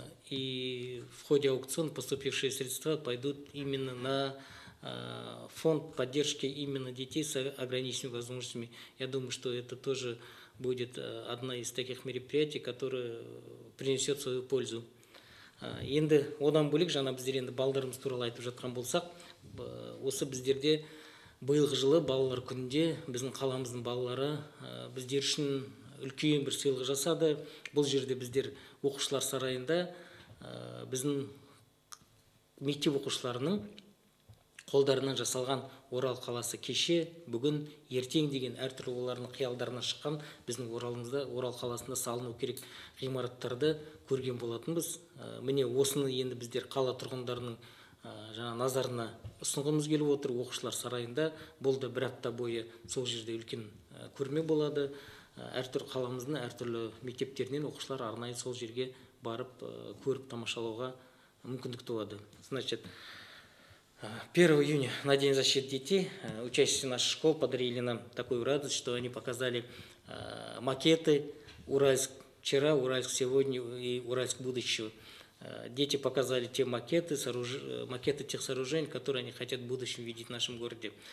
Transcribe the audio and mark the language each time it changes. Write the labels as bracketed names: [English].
[Russian] И в ходе аукциона поступившие средства пойдут именно на фонд поддержки именно детей с ограниченными возможностями. Я думаю, что это тоже будет одна из таких мероприятий, которая принесет свою пользу. [Kazakh] Енді одан бөлек жаңа біздер енді балдарымыз туралы айтып жатқан болсақ, осы біздерде биылғы жылы балалар күнінде біздің қаламыздың балалары біздер үшін үлкен бір сыйлық жасады. Бұл жерде біздер оқушылар сарайында біздің мектеп оқушыларының қолдарынан жасалған Орал қаласы кеше, бүгін, ертең деген әртүрлі олардың қиялдарына шыққан біздің Оралымызда, Орал қаласында салыну керек ғимараттарды көрген болатынбыз. Міне осыны енді біздер қала тұрғындарының жаңа назарына ұсынғымыз келіп отыр. Оқушылар сарайында бұл да бір апта бойы сол жерде үлкен көрме болады. Әртүрлі қаламыздың әртүрлі мектептерінен оқушылар арнайы сол жерге барып көріп тамашалауға мүмкіндік туады. [Russian] Значит, 1 июня на День защиты детей учащиеся наших школ подарили нам такую радость, что они показали макеты «Уральск вчера», «Уральск сегодня» и «Уральск будущего». Дети показали те макеты, макеты тех сооружений, которые они хотят в будущем видеть в нашем городе.